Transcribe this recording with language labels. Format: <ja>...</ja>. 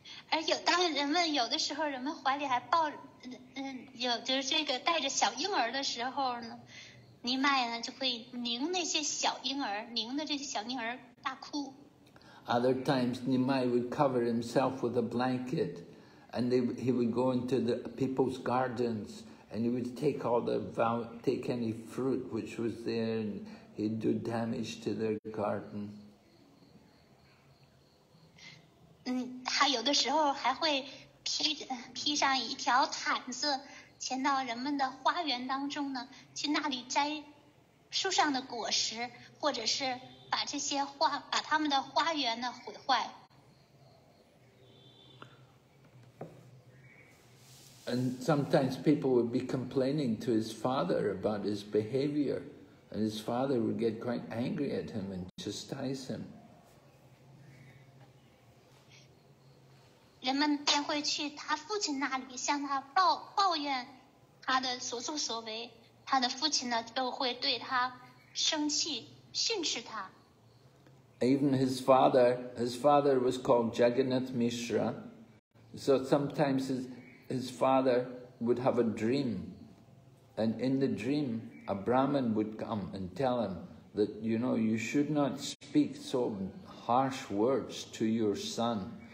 <en>Other times, Nimai would cover himself with a blanket, and he would go into the people's gardens, and he would take any fruit which was there, and he'd do damage to their garden.</en> <zh>他有的时候还会披上一条毯子，潜到人们的花园当中呢，去那里摘树上的果实，或者是把这些花，把他们的花园呢毁坏。</zh> <en>And sometimes people would be complaining to his father about his behavior, and his father would get quite angry at him and chastise him.</en> <zh>人们便会去他父亲那里向他抱怨他的所作所为，他的父亲呢就会对他生气，训斥他。</zh> <en>Even his father was called Jagannath Mishra, so sometimes his father would have a dream, and in the dream, a Brahmin would come and tell him that, you know, you should not speak so harsh words to your son.</en>